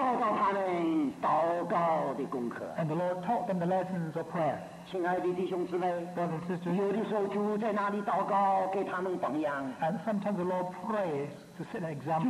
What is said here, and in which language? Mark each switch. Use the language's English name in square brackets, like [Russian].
[Chinese] 主也一直教导他们祷告的功课, [English] and the Lord taught them the lessons of prayer. [Chinese] 亲爱的弟兄姊妹, [English] brothers and sisters, [Chinese] 有的时候主在那里祷告给他们榜样, [English] and sometimes the Lord prays to set an example.